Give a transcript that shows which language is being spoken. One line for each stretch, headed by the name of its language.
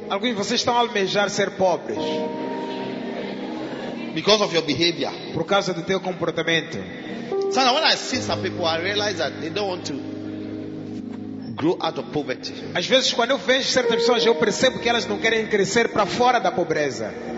Portuguese: Alguns de vocês estão a almejar ser pobres.
English: Because of your behavior.
Portuguese: Por causa do teu comportamento.
English: Sana, when I see some people, I realize that they don't want to grow out of poverty.
Portuguese: Às vezes, quando eu vejo certas pessoas, eu percebo que elas não querem crescer para fora da pobreza.